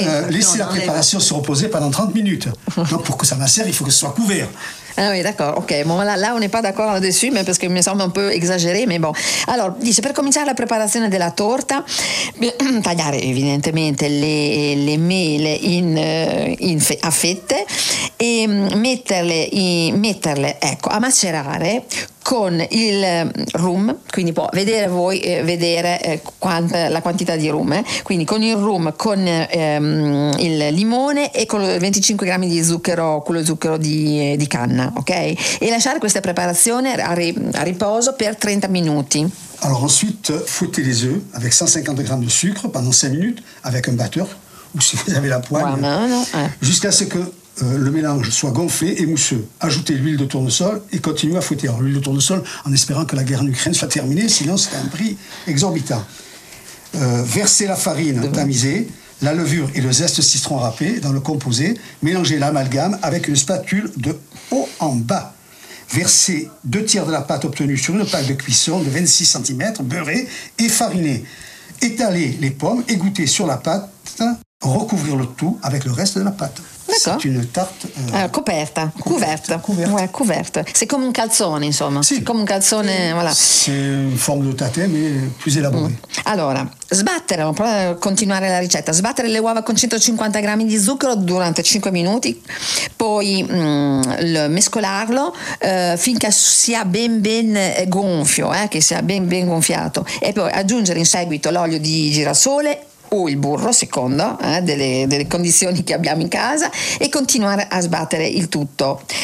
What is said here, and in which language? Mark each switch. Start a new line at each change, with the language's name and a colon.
French: Laissez la préparation se reposer pendant 30 minutes. Non, pour que ça macère, il faut que ce soit couvert. Ah oui, d'accord, ok. Bon, là on n'est pas d'accord là-dessus, mais parce que
Italian: mi sembra
French: un peu exagéré, mais bon.
Italian: Alors, dice, per cominciare la preparazione della torta, tagliare evidentemente le mele a fette e metterle, ecco, a macerare con il rum, quindi può vedere voi, la quantità di rum, quindi con il rum, con il limone e con 25 grammi di zucchero, quello zucchero di canna, ok? E lasciare questa preparazione a riposo per 30 minuti.
French: Allora, ensuite, fouettez les œufs avec 150
Italian: grammi di
French: sucre pendant 5 minuti avec un batteur, ou si vous avez la poêle, jusqu'à ce que le mélange soit gonflé et mousseux. Ajoutez l'huile de tournesol et continuez à fouetter. Alors, l'huile de tournesol, en espérant que la guerre en Ukraine soit terminée, sinon c'est un prix exorbitant. Versez la farine tamisée, la levure et le zeste citron râpé dans le composé. Mélangez l'amalgame avec une spatule de haut en bas. Versez 2/3 de la pâte obtenue sur une plaque de cuisson de 26 cm, beurrée et farinée. Étalez les pommes et égouttez sur la pâte. Recouvrir le tout avec le reste de la pâte. D'accord. C'est une tarte couverte. C'est comme un calzone, insomma.
Italian: Sì.
French: Comme un calzone, voilà. C'est une forme de tatin, mais plus élaborée.
Italian: Allora, sbattere, continuare la ricetta, sbattere le uova con 150 grammi di zucchero durante 5 minuti, poi mescolarlo finché sia ben gonfio, che sia ben gonfiato, e poi aggiungere in seguito l'olio di girasole o il burro, secondo delle condizioni che abbiamo in casa, e continuare a sbattere il tutto.